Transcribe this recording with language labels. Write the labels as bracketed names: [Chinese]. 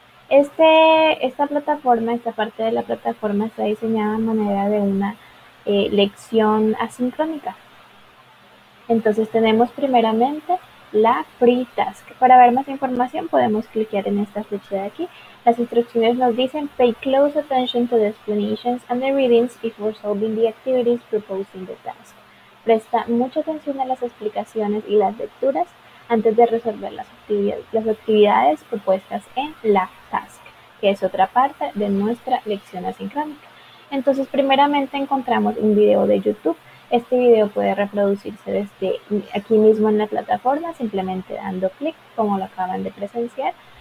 [Spanish] Esta plataforma, esta parte de la plataforma está diseñada a manera de una lección asincrónica. Entonces tenemos primeramente la free task. Para ver más información podemos cliquear en esta flecha de aquí. Las instrucciones nos dicen [English] pay close attention to the explanations and the readings before solving the activities proposed in the task. [Spanish] Presta mucha atención a las explicaciones y las lecturas antes de resolver las actividades propuestas en la task, que es otra parte de nuestra lección asincrónica. Entonces, primeramente encontramos un video de YouTube. Este video puede reproducirse desde aquí mismo en la plataforma, simplemente dando clic, como lo acaban de presenciar.